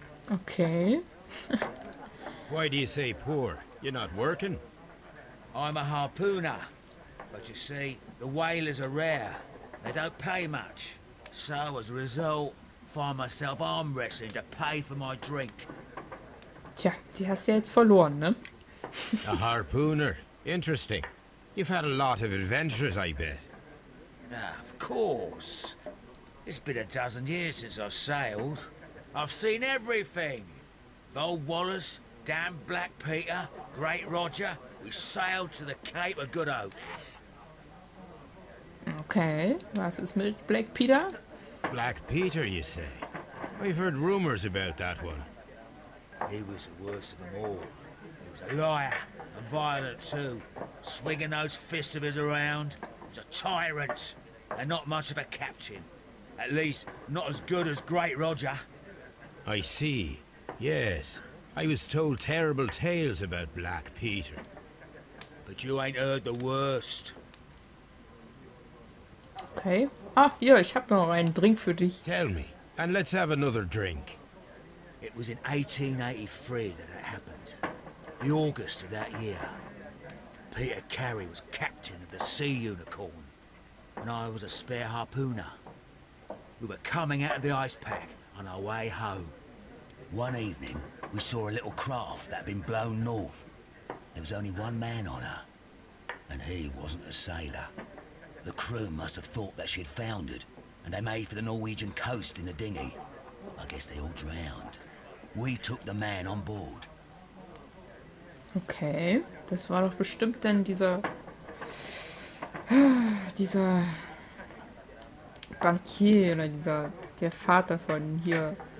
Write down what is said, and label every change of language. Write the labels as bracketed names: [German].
[English] Okay. Why do you say poor? You're not working. I'm a harpooner. But you see, the whalers are rare. They don't pay much. So as a result, find myself arm wrestling to pay for my drink. [German] Tja, die hast du ja jetzt verloren, ne? [English] A harpooner. Interesting. You've had a lot of adventures, I bet. Of course. It's been 12 years since I've sailed. I've seen everything. Old Wallace, damn Black Peter, Great Roger, we sailed to the Cape of Good Hope. [German] Okay, was ist mit Black Peter? [English] Black Peter, you say? I've heard rumors about that one. He was the worst of them all. He was a liar, and violent too. Swinging those fists of his around. He was a tyrant, and not much of a captain. At least, not as good as Great Roger. I see. Yes. I was told terrible tales about Black Peter. But you ain't heard the worst. Okay. [German] Ah, ja, ich hab noch einen Drink für dich. [English] Tell me, and let's have another drink. It was in 1883 that it happened. The August of that year. Peter Carey was captain of the Sea Unicorn. And I was a spare harpooner. We were coming out of the ice pack on our way home. One evening, we saw a little craft that had been blown north. There was only one man on her, and he wasn't a sailor. The crew must have thought that she had foundered, and they made for the Norwegian coast in a dinghy. I guess they all drowned. We took the man on board. [German] Okay, das war doch bestimmt dann dieser Bankier oder der Vater von hier.